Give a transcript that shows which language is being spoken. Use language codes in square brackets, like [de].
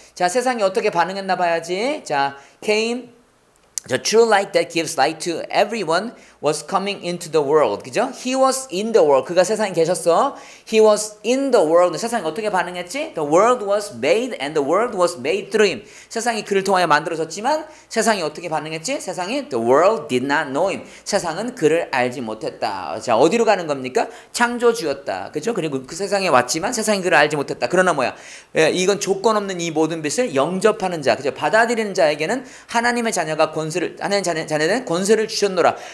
[ko] 자 세상이 어떻게 반응했나 봐야지. 자 came. [en] The true light that gives light to everyone was coming into the world. 그죠? He was in the world. [ko] 그가 세상에 계셨어. [en] He was in the world. [ko] 세상이 어떻게 반응했지? [en] The world was made and the world was made through him. [ko] 세상이 그를 통하여 만들어졌지만 세상이 어떻게 반응했지? 세상이 [en] the world did not know him. [ko] 세상은 그를 알지 못했다. 자, 어디로 가는 겁니까? 창조주였다. 그죠? 그리고 그 세상에 왔지만 세상이 그를 알지 못했다. 그러나 뭐야? 예, 이건 조건 없는 이 모든 빛을 영접하는 자, 그죠? 받아들이는 자에게는 하나님의 자녀가 자네는 권세를 주셨노라.